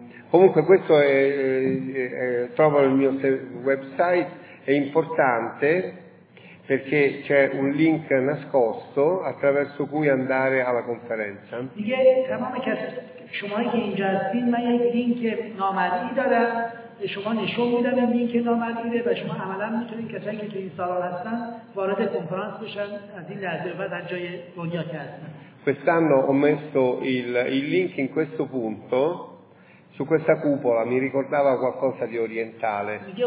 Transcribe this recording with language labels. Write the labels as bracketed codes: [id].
[it] Comunque questo è trovo nel mio website, è importante perché c'è un link nascosto attraverso cui andare alla conferenza. [fa] Dice تمام شمای که اینجا هستین من یک لینک نامرئی دارم به شما نشون میدم این لینک نامرئیه و شما عملا میتونید کسایی که تو این سالن هستن وارد کنفرانس بشن از این لحظه بعد هر جای دنیا که هستن. [it] Quest'anno ho messo il link in questo punto, su questa cupola, mi ricordava qualcosa di orientale.